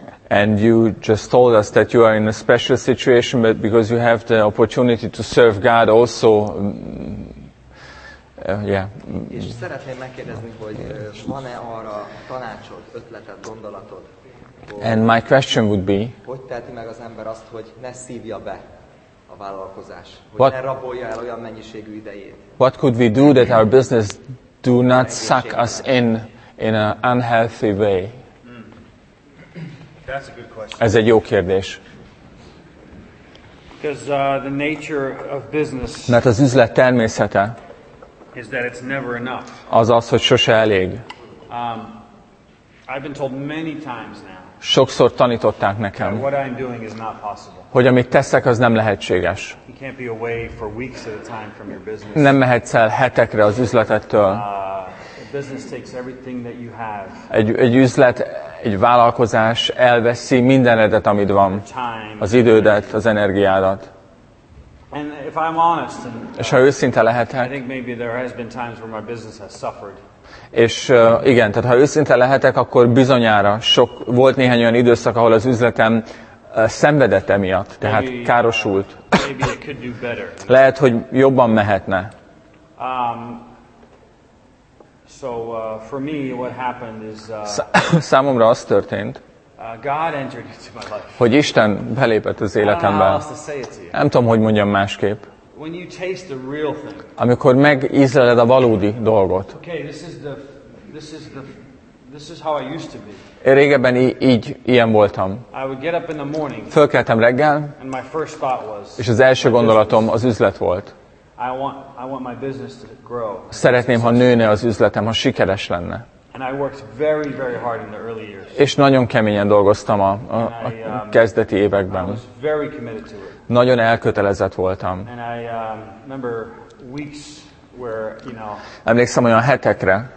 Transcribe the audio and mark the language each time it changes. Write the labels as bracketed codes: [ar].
[en] And you just told us that you are in a special situation, but because you have the opportunity to serve God also. [hu] És szeretném megkérdezni, hogy van-e arra tanácsod, ötleted, gondolatod? [en] And my question would be. [hu] Hogy teheti meg az ember azt, hogy ne szívja be a vállalkozás, hogy ne rabolja el olyan mennyiségű idejét? [en] What could we do that our business do not suck us in an unhealthy way? That's a good question. [hu] Ez egy jó kérdés. [en] Because the nature of business. [hu] Mert az üzlet természete. [en] Is that it's never enough. [hu] Azaz, hogy sose elég. [en] I've been told many times now. [hu] Sokszor tanították nekem. [en] What I'm doing is not possible. [hu] Hogy amit teszek, az nem lehetséges. [en] You can't be away for weeks at a time from your business. [hu] Nem mehetsz el hetekre az üzletettől. [en] Business takes everything that you have. [hu] Egy üzlet, egy vállalkozás elveszi mindenedet, amit van. [en] Time, [hu] az idődet, az energiádat. [en] And if I'm honest, [hu] és ha őszinte lehetek, [en] I think maybe there has been times where my business has suffered. [hu] És igen, tehát ha őszinte lehetek, akkor bizonyára sok volt néhány olyan időszak, ahol az üzletem szenvedett emiatt, tehát [en] maybe, [hu] károsult. [en] Maybe it could do better. [hu] Lehet, hogy jobban mehetne. [en] For me, what happened is. [hu] Számomra az történt. [en] God entered into my life. [hu] Hogy Isten belépett az életembe. Nem tudom, hogy mondjam másképp. [en] When you taste the real thing. [hu] Amikor megízleled a valódi dolgot. [en] Okay, this is how I used to be. [hu] Én régebben így ilyen voltam. [en] I would get up in the morning. [hu] Fölkeltem reggel. [en] And my first thought was. [hu] És az első gondolatom az üzlet volt. [en] I want my business to grow. [hu] Szeretném, ha nőne az üzletem, ha sikeres lenne. [en] And I worked very, very hard in the early years. [hu] És nagyon keményen dolgoztam a kezdeti években. [en] I was very committed to it. [hu] Nagyon elkötelezett voltam. [en] And I remember weeks where, you know. [hu] Emlékszem olyan hetekre.